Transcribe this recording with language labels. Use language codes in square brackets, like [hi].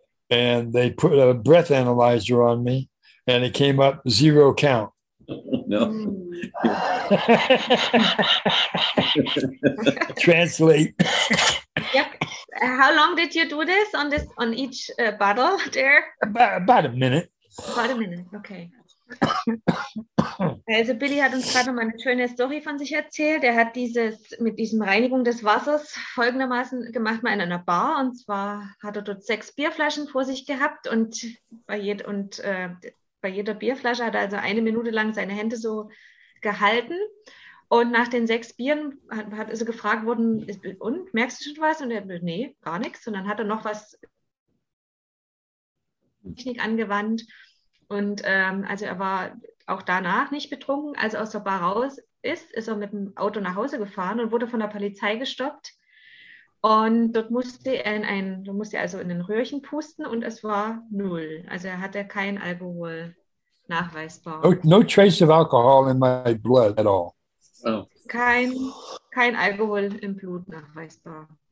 [en] And they put a breath analyzer on me, and it came up zero count. No. Translate. Yep. How long did you do this on each bottle there? About a minute. About a minute, okay. [de] Also Billy hat uns gerade mal eine schöne Story von sich erzählt. Er hat dieses mit diesem Reinigung des Wassers folgendermaßen gemacht, mal in einer Bar. Und zwar hat er dort 6 Bierflaschen vor sich gehabt und bei jeder Bierflasche hat er also eine Minute lang seine Hände so gehalten. Und nach den 6 Bieren hat er so gefragt worden, und merkst du schon was? Und er hat gesagt, nee, gar nichts. Und dann hat er noch was Technik angewandt. Und also er war auch danach nicht betrunken. Als er aus der Bar raus ist, ist er mit dem Auto nach Hause gefahren und wurde von der Polizei gestoppt. Und dort musste er in den Röhrchen pusten und es war null. Also er hatte keinen Alkohol nachweisbar. [en] No trace of alcohol in my blood at all. [de] Kein Alkohol im Blut nachweisbar.